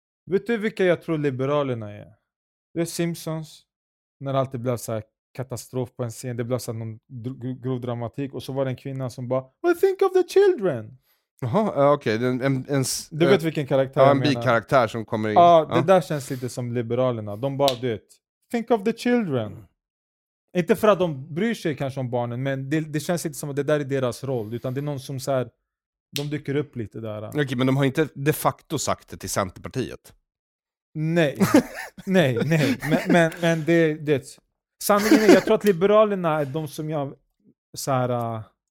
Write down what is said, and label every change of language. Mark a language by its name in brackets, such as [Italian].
[Swedish] Vet du vilka jag tror Liberalerna är? Det är Simpsons. När det alltid blev så här katastrof på en scen. Det blev så här någon grov dramatik. Och så var det en kvinna som bara, [English] I think of the children. [Swedish] Jaha, okej. Okay. Du vet vilken karaktär en bikaraktär som kommer in. Ja, det där känns lite som Liberalerna. De bara, du vet, [English] think of the children. [Swedish] Inte för att de bryr sig kanske om barnen, men det känns inte som att det där är deras roll. Utan det är någon som så här, de dyker upp lite där. Okej, okay, men de har inte de facto sagt det till Centerpartiet. Nej, nej. Men det sanningen är, jag tror att Liberalerna är de som jag så här...